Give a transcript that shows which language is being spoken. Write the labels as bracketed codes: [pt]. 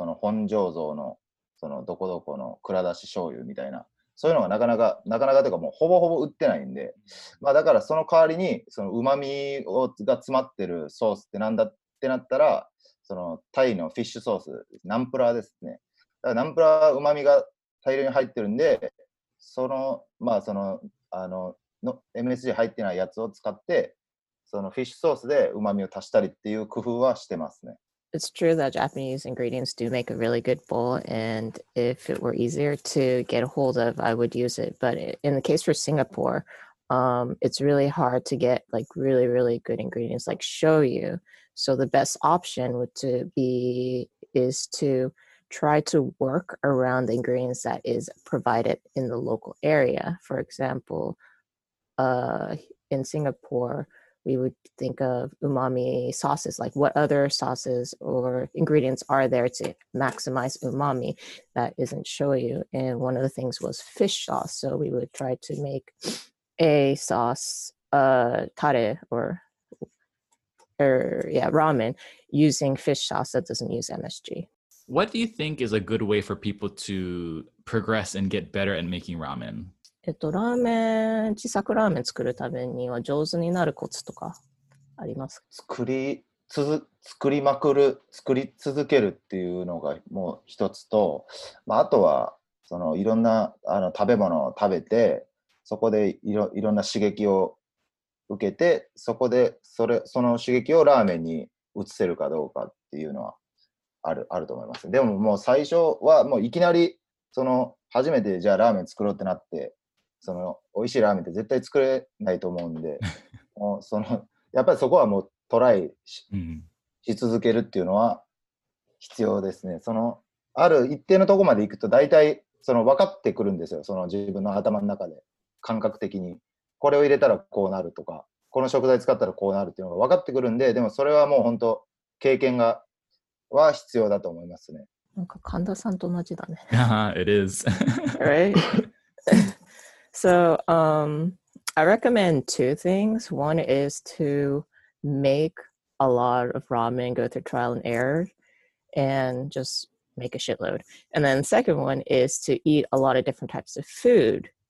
[ja] その本醸造のそのどこどこの蔵出し醤油みたいな、そういうのがなかなかというかもうほぼほぼ売ってないんで、まあだからその代わりにその旨味が詰まってるソースってなんだってなったら、そのタイのフィッシュソース、ナンプラーですね。だからナンプラー旨味が大量に入ってるんで、そのまあそのあのMSG 入ってないやつを使って、そのフィッシュソースで旨味を足したりっていう工夫はしてますね。 [en] It's true that Japanese ingredients do make a really good bowl, and if it were easier to get a hold of, I would use it. But in the case for Singapore, it's really hard to get like really, really good ingredients like shoyu. So the best option would to be is to try to work around the ingredients that is provided in the local area. For example,in Singapore, we would think of umami sauces, like what other sauces or ingredients are there to maximize umami that isn't shoyu. And one of the things was fish sauce. So we would try to make a sauce, tare ramen using fish sauce that doesn't use MSG. What do you think is a good way for people to progress and get better at making ramen? [ja] ラーメン、小さくラーメン作るためには上手になるコツとかありますか？作りまくる、作り続けるっていうのがもう一つと、まあ、あとはそのいろんなあの食べ物を食べて、そこでいろんな刺激を受けて、そこでその刺激をラーメンに移せるかどうかっていうのはあると思います。でももう最初はもういきなりその初めてじゃあラーメン作ろうってなって、その美味しいラーメンって絶対作れないと思うんで、もうそのやっぱりそこはもうトライ し続けるっていうのは必要ですね。そのある一定のとこまで行くと大体その分かってくるんですよ。その自分の頭の中で感覚的にこれを入れたらこうなるとか、この食材使ったらこうなるっていうのが分かってくるんで、でもそれはもう本当経験がは必要だと思いますね。なんか神田さんと同じだね。 [en] It is. Right? So, I recommend two things. One is to make a lot of ramen, go through trial and error, and just make a shitload. And then the second one is to eat a lot of different types of food.